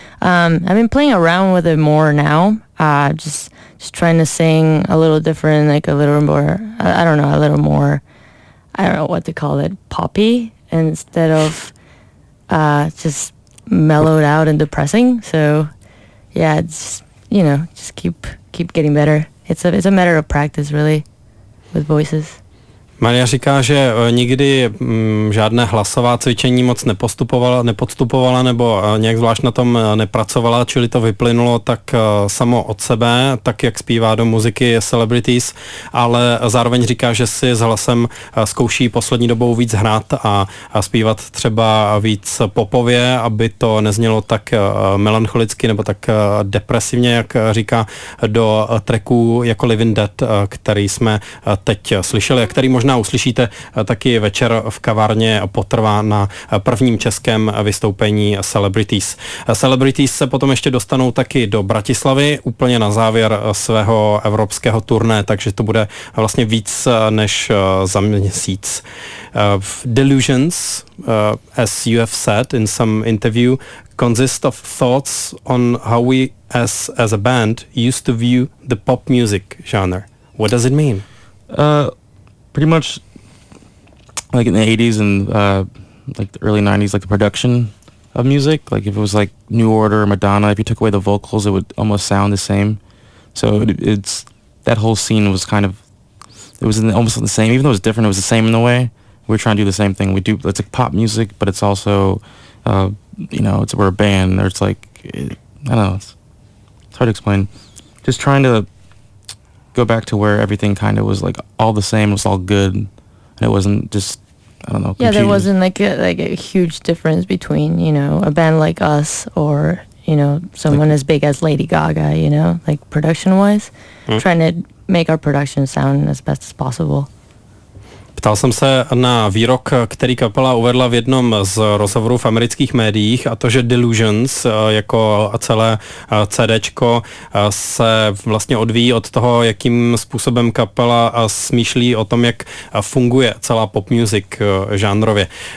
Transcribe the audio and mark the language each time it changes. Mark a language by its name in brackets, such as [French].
[English] I've been playing around with it more now, just trying to sing a little different, like a little more, poppy instead of just mellowed out and depressing. So yeah, it's, you know, just keep getting better. It's a matter of practice, really, with voices. [Czech] Maria říká, že nikdy žádné hlasová cvičení moc nepodstupovala nebo nějak zvlášť na tom nepracovala, čili to vyplynulo tak samo od sebe, tak jak zpívá do muziky Celebrities, ale zároveň říká, že si s hlasem zkouší poslední dobou víc hrát a zpívat třeba víc popově, aby to neznělo tak melancholicky nebo tak depresivně, jak říká do tracků jako Living Dead, který jsme teď slyšeli, a který možná uslyšíte taky večer v kavárně Potrvá na prvním českém vystoupení Celebrities. Celebrities se potom ještě dostanou taky do Bratislavy, úplně na závěr svého evropského turné, takže to bude vlastně víc než za měsíc. [English] Delusions, as you have said in some interview, consist of thoughts on how we as a band used to view the pop music genre. What does it mean? Pretty much, like in the 80s and like the early 90s, like the production of music, like if it was like New Order or Madonna, if you took away the vocals, it would almost sound the same. So it's that whole scene was kind of, it was almost the same. Even though it was different, it was the same in a way. We're trying to do the same thing. We do, it's like pop music, but it's also, you know, it's, we're a band, or it's like, I don't know, it's hard to explain. Just trying to go back to where everything kind of was like all the same, was all good, and it wasn't just, I don't know, yeah, there wasn't like a huge difference between, you know, a band like us or, you know, someone like as big as Lady Gaga, you know, like production wise trying to make our production sound as best as possible. [Czech] Ptal jsem se na výrok, který kapela uvedla v jednom z rozhovorů v amerických médiích, a to, že Delusions jako celé CDčko se vlastně odvíjí od toho, jakým způsobem kapela smýšlí o tom, jak funguje celá pop music žánrově.